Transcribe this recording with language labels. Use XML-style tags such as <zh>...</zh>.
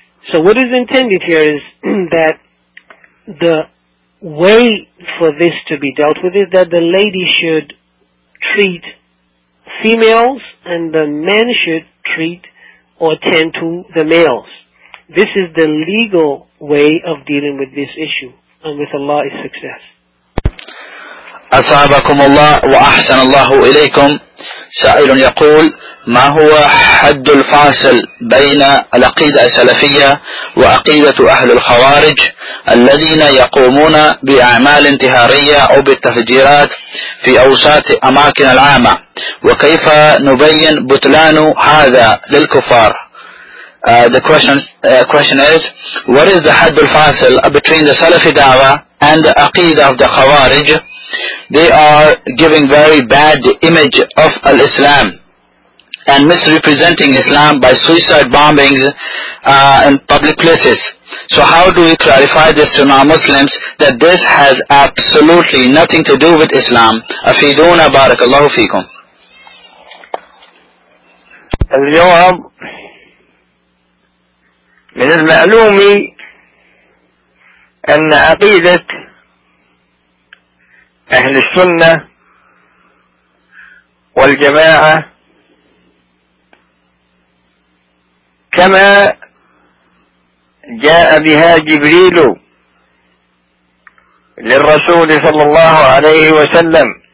<en>So what is intended here is that the way for this to be dealt with is that the lady should treat females and the men should treat or tend to the males. This is the legal way of dealing with this issue. And with Allah is success.</en> <ar>أصابكم الله وأحسن الله إليكم. سائل يقول: ما هو حد الفاصل بين العقيدة السلفية وعقيدة أهل الخوارج الذين يقومون بأعمال انتحارية أو بالتفجيرات في أوساط أماكن العامة، وكيف نبين بطلان هذا للكفار؟</ar> <en>The question is, what is the حد الفاصل between the Salafi Dawa and the عقيدة of the خوارج؟ They are giving very bad image of Islam and misrepresenting Islam by suicide bombings in public places. So how do we clarify this to non-Muslims that this has absolutely nothing to do with Islam?</en> <ar>Afiduna barakallahu feekum. Al-Jawab, min al-ma'lumi anna aqidat أهل السنة والجماعة كما جاء بها جبريل للرسول صلى الله عليه وسلم،</ar>